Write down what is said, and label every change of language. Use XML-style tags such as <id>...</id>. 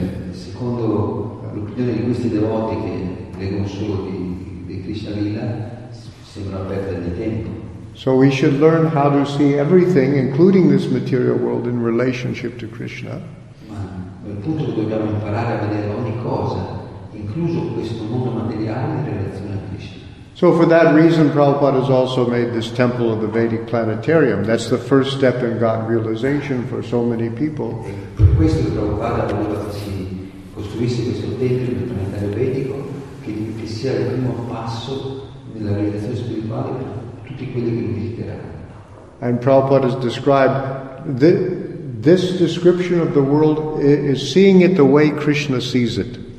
<it>Secondo l'opinione di questi devoti che leggono solo di Krishna Lila, sembra una perdita di tempo.</it> <en>So we should learn how to see everything, including this material world, in relationship to Krishna.</en> <it>Ma nel punto dobbiamo imparare a vedere ogni cosa, incluso questo mondo materiale, in relazione a Krishna.</it> <en>So for that reason, Prabhupada has also made this temple of the Vedic planetarium. That's the first step in God realization for so many people.</en> <it>Per questo Prabhupada ha voluto che si costruisse questo tempio del planetario vedico, che sia il primo passo nella realizzazione spirituale per tutti quelli che lo visiteranno.</it> <en>And Prabhupada has described this description of the world is seeing it the way Krishna sees it.</en>